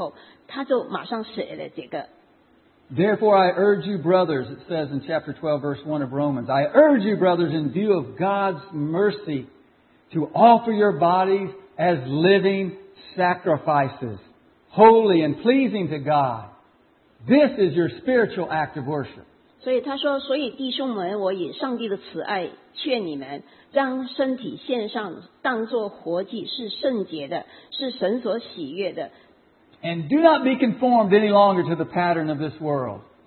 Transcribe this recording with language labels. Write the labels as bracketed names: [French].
[Chinese] 当他表明了上帝有多伟大,他为我们所成就是何等的大事以后,他就马上写了这个。 [English] Therefore I urge you, brothers, it says in chapter 12, verse 1 of Romans, I urge you, brothers, in view of God's mercy, to offer your bodies as living sacrifices, holy and pleasing to God. This is your spiritual act of worship. [Chinese] 所以他说,所以弟兄们,我以上帝的慈爱劝你们,将身体献上,当作活祭,是圣洁的,是神所喜悦的。 [English] And do not be conformed any longer to the pattern of this world.